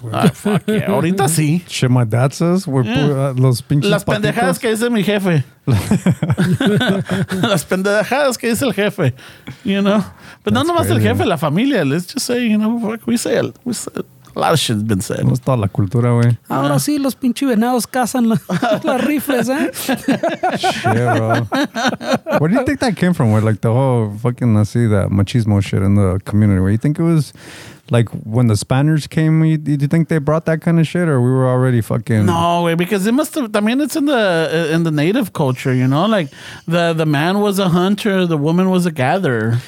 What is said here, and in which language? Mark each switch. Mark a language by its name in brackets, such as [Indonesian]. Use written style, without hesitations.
[English] Fuck yeah, [Spanish] ahorita sí. [English] Shit my dad says, [Spanish] los pinches. Las pendejadas que dice mi jefe. Las pendejadas que dice el jefe, [English] you know? [Spanish] But no nomás el jefe, la familia. [English] Let's just say, you know, fuck, we say it. A lot of shit's been said. [Spanish] No, toda la cultura, güey. Ahora sí, los pinche venados cazan las rifles, eh? [English] Shit, bro. Where do you think that came from? Where, like, the whole fucking, I see that machismo shit in the community. Where you think it was, like, when the Spaniards came, do you think they brought that kind of shit? Or we were already fucking... No, güey, because it must have... I mean, it's in the native culture, you know? Like, the man was a hunter, the woman was a gatherer.